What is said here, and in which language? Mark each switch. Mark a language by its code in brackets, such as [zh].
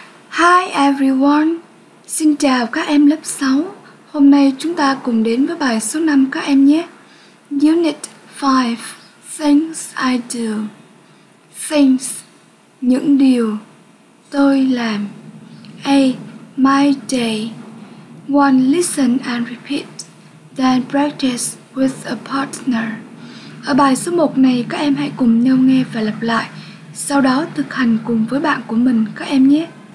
[en] Hi everyone, [vi] xin chào các em lớp 6. Hôm nay chúng ta cùng đến với bài số 5 các em nhé. [en] Unit 5, Things I Do. [vi] Things, những điều tôi làm. [en] A, my day. One, listen and repeat, then practice with a partner. [vi] Ở bài số 1 này các em hãy cùng nhau nghe và lặp lại, sau đó thực hành cùng với bạn của mình các em nhé.